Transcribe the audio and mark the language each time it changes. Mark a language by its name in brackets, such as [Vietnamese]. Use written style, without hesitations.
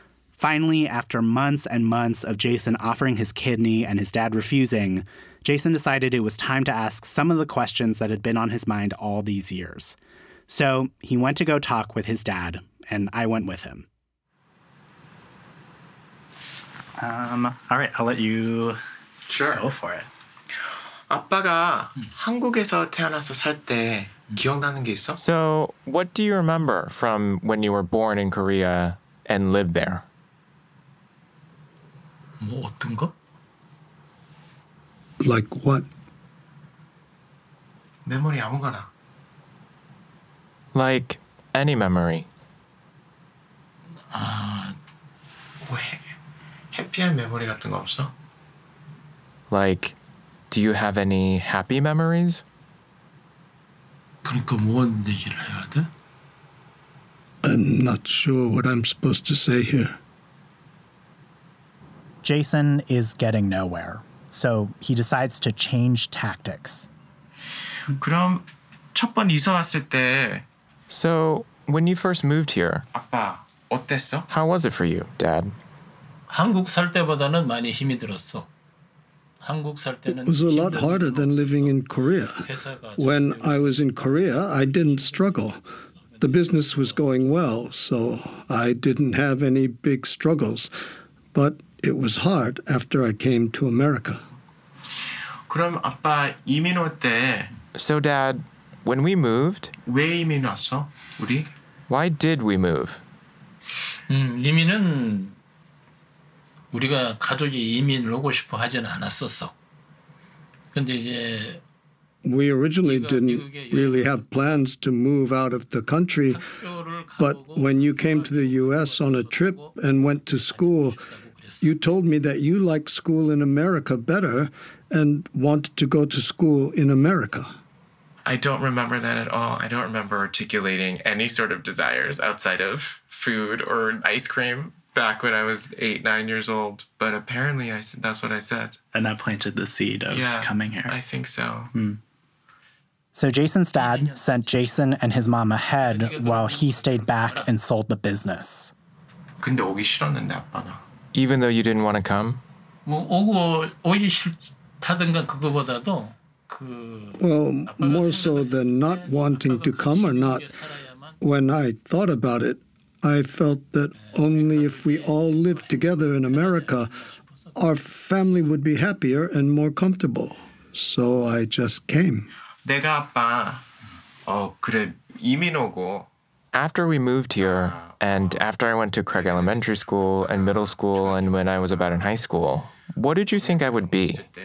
[English] Finally, after months and months of Jason offering his kidney and his dad refusing, Jason decided it was time to ask some of the questions that had been on his mind all these years. So he went to go talk with his dad, and I went with him. All right, I'll let you go for it. [Korean] 아빠가 한국에서 태어나서 살 때 기억나는 게 있어? [English] So, what do you remember from when you were born in Korea and lived there? [Korean] 뭐 어떤 거? [English] Like what? [Korean] Memory 아무거나. [English] Like any memory. [Korean] Happy한 memory 같은 거 없어? [English] Like, do you have any happy memories? [Korean] 그러니까 뭔 얘기를 해야 돼? [English] I'm not sure what I'm supposed to say here. Jason is getting nowhere, so he decides to change tactics. [Korean] 그럼 첫 번 이사 왔을 때 [English] So, when you first moved here, [Korean] 아빠, 어땠어? [English] How was it for you, Dad? [Korean] 한국 살 때보다는 많이 힘이 들었어. 한국 살 때는 [English] It was a lot harder than living in Korea. When I was in Korea, I didn't struggle. The business was going well, so I didn't have any big struggles. But it was hard after I came to America. [Korean] 그럼 아빠, 이민 올 때 [English] So, Dad, when we moved, [Korean] 왜 이민 왔어, 우리? [English] Why did we move? [Korean] 이민은 우리가 가족이 이민을 오고 싶어 하지는 않았었어. 근데 이제 [English] We originally didn't really have plans to move out of the country, but when you came to the U.S. on a trip and went to school, you told me that you liked school in America better and wanted to go to school in America. I don't remember that at all. I don't remember articulating any sort of desires outside of food or ice cream back when I was 8, 9 years old. But apparently I said, that's what I said. And that planted the seed of yeah, coming here. I think so. Mm. So Jason's dad sent Jason and his mom ahead while he stayed back and sold the business. [Korean] 근데 오기 싫었는데, 아빠가. [English] Even though you didn't want to come? [Korean] 뭐 오기 싫다든가 그거보다도 [English] Well, more so than not wanting to come or not, when I thought about it, I felt that only if we all lived together in America, our family would be happier and more comfortable. So I just came. [Korean] 내가 아빠, 그래, 이민 오고. [English] After we moved here, and after I went to Craig Elementary School and middle school, and when I was about in high school, what did you think I would be?